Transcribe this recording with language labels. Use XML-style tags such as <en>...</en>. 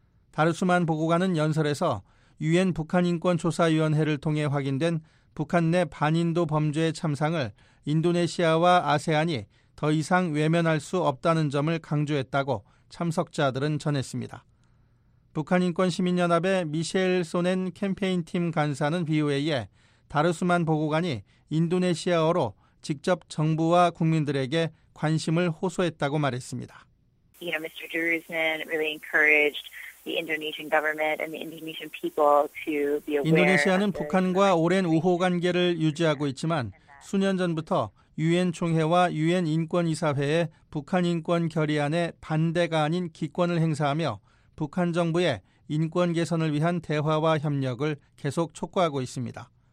<ko>다르수만 보고관은 연설에서 유엔 북한인권조사위원회를 통해 확인된 북한 내 반인도 범죄의 참상을 인도네시아와 아세안이 더 이상 외면할 수 없다는 점을 강조했다고 참석자들은 전했습니다. 북한인권시민연합의 미셸 소넨 캠페인팀 간사는 BOA에 다르수만 보고관이 인도네시아어로 직접 정부와 국민들에게 관심을 호소했다고 말했습니다.</ko> <en>You know, Mr. Darusman really encouraged the Indonesian government and the Indonesian people to be aware.</en> <ko>인도네시아는 북한과 오랜 우호 관계를 유지하고 있지만 수년 전부터 유엔 총회와 유엔 인권 이사회의 북한 인권 결의안에 반대가 아닌 기권을 행사하며 북한 정부의 인권 개선을 위한 대화와 협력을 계속 촉구하고 있습니다.</ko>